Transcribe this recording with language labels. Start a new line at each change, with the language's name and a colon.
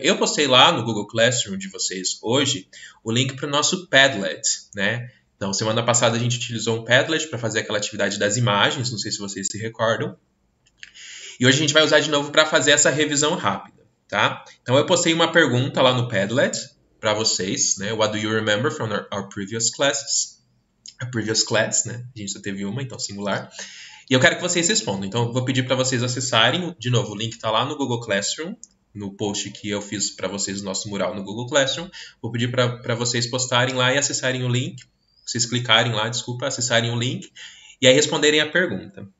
Portuguese: Eu postei lá no Google Classroom de vocês hoje o link para o nosso Padlet, né? Então, semana passada a gente utilizou um Padlet para fazer aquela atividade das imagens, não sei se vocês se recordam. E hoje a gente vai usar de novo para fazer essa revisão rápida, tá? Então, eu postei uma pergunta lá no Padlet para vocês, né?
English: What do you remember from our previous classes?
Portuguese: A previous class, né? A gente só teve uma, então singular. E eu quero que vocês respondam. Então, eu vou pedir para vocês acessarem, de novo, o link está lá no Google Classroom, no post que eu fiz para vocês, nosso mural no Google Classroom. Vou pedir para vocês postarem lá e acessarem o link, vocês clicarem lá, desculpa, acessarem o link e aí responderem a pergunta.